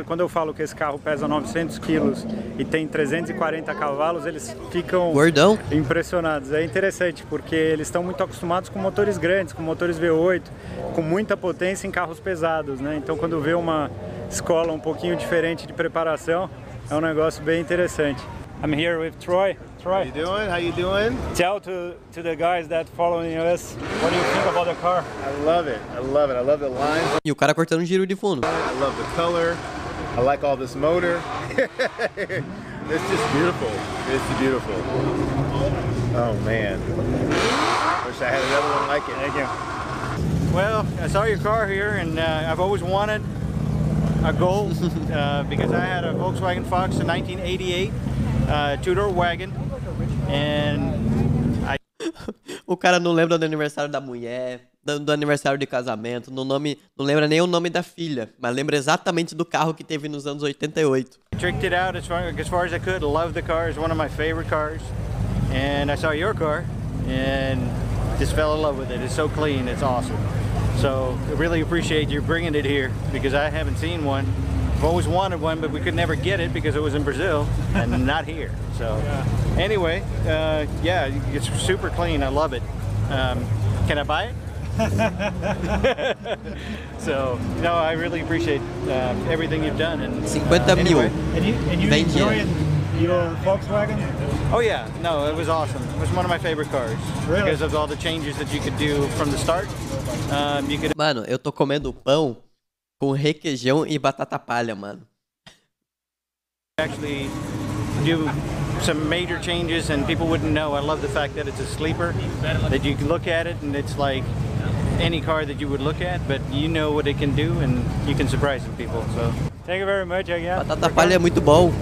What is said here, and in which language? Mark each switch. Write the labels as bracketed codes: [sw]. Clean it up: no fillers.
[pt] E quando eu falo que esse carro pesa 900 quilos e tem 340 cavalos, eles ficam gordão, impressionados. É interessante, porque eles estão muito acostumados com motores grandes, com motores V8, com muita potência em carros pesados, né? Então, quando vê uma escola um pouquinho diferente de preparação, é um negócio bem interessante. [en] I'm here with Troy. How you doing? How you doing? Tell to the guys that following us, what do you think about the car? I love it. I love it. I love the lines. [pt] E o cara cortando um giro de fundo. [en] I love the color. I like all this motor. It's just beautiful. It's beautiful. Oh man. Wish I had another one like it. Thank you. Well, I saw your car here and I've always wanted a Golf because I had a Volkswagen Fox in 1988. Two-door wagon. And I... [pt] O cara não lembra do aniversário da mulher, do aniversário de casamento, não lembra nem o nome da filha, mas lembra exatamente do carro que teve nos anos 88. [en] I tricked it out as far as I could. Love the car. It's one of my favorite cars. And I saw your car and just fell in love with it. It's so clean. It's awesome. So I really appreciate you bringing it here because I haven't seen one. I've always wanted one, but we could never get it because it was in Brazil and not here. So anyway, it's super clean. I love it. Can I buy it? So, no, I really appreciate everything you've done. And, [pt] 50 mil. [en] Anyway, and you enjoyed your Volkswagen? Oh, yeah. No, it was awesome. It was one of my favorite cars. Really? Because of all the changes that you could do from the start. [pt] Mano, eu tô comendo pão com requeijão e batata palha, mano. [en] Actually, do some major changes and people wouldn't know. I love the fact that it's a sleeper, that you can look at it and it's like any car that you would look at, but you know what it can do and you can surprise some people. So, thank you very much again. [pt] Batata palha é muito bom.